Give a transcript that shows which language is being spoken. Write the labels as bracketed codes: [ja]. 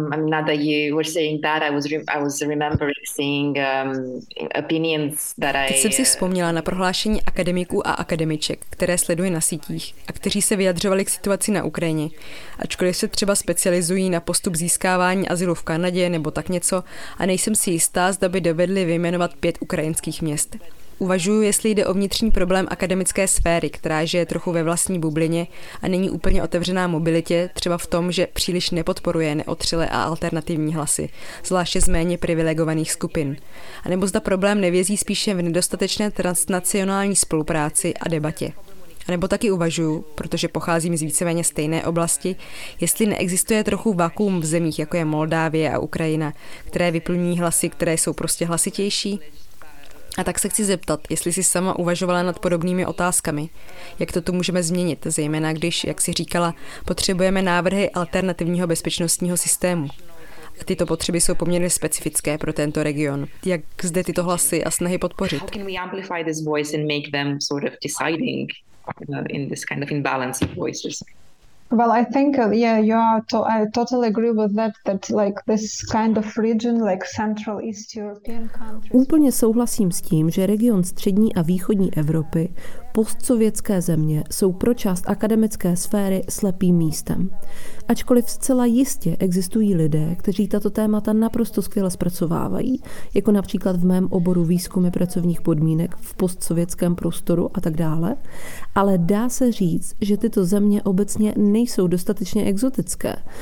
[en] Now that you were saying that, I was remembering seeing opinions that I. [cs] Teď jsem si vzpomněla na prohlášení akademiků a akademiček, které sleduji na sítích a kteří se vyjadřovali k situaci na Ukrajině. Ačkoliv se třeba specializují na postup získávání azylu v Kanadě nebo tak něco, a nejsem si jistá, zda by dovedli vyjmenovat 5 ukrajinských měst. Uvažuju, jestli jde o vnitřní problém akademické sféry, která žije trochu ve vlastní bublině a není úplně otevřená mobilitě, třeba v tom, že příliš nepodporuje neotřile a alternativní hlasy, zvláště z méně privilegovaných skupin. A nebo zda problém nevězí spíše v nedostatečné transnacionální spolupráci a debatě. A nebo taky uvažuju, protože pocházím z víceméně stejné oblasti, jestli neexistuje trochu vakuum v zemích, jako je Moldávie a Ukrajina, které vyplňují hlasy, které jsou prostě hlasitější. A tak se chci zeptat, jestli jsi sama uvažovala nad podobnými otázkami. Jak to tu můžeme změnit, zejména když, jak jsi říkala, potřebujeme návrhy alternativního bezpečnostního systému. A tyto potřeby jsou poměrně specifické pro tento region. Jak zde tyto hlasy a snahy podpořit? [en] How can we amplify this voice and make them sort of deciding in this kind of imbalance of voices? Well, I think I totally agree with that like this kind of region, like Central East European countries. [cs] Úplně souhlasím s tím, že region střední a východní Evropy, postsovětské země, jsou pro část akademické sféry slepým místem. Ačkoliv zcela jistě existují lidé, kteří tato témata naprosto skvěle zpracovávají, jako například v mém oboru výzkumy pracovních podmínek v postsovětském prostoru a tak dále, ale dá se říct, že tyto země obecně nejsou dostatečně exotické.